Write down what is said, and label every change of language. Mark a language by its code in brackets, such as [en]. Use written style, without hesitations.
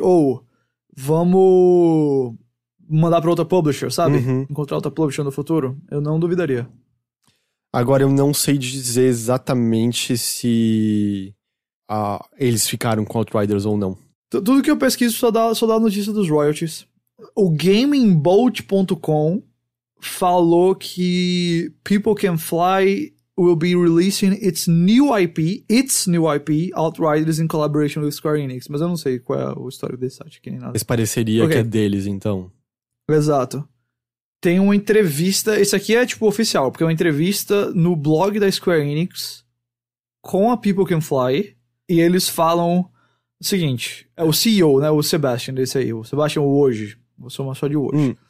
[pt] Ou, vamos mandar pra outra publisher, sabe? Uhum. Encontrar outra publisher no futuro. Eu não duvidaria. Agora, eu não sei dizer exatamente se eles ficaram com Outriders ou não. Tudo que eu pesquiso só dá notícia dos royalties. O GamingBolt.com falou que [en] People Can Fly will be releasing its new IP, Outriders, in collaboration with Square Enix. [pt] Mas eu não sei qual é o histórico desse site, que nem nada. Mas pareceria okay. Que é deles, então. Exato. Tem uma entrevista, esse aqui é tipo oficial, porque é uma entrevista no blog da Square Enix com a People Can Fly, e eles falam o seguinte, é o CEO, né, o Sebastian, desse aí, o Sebastian hoje, vou somar só de hoje.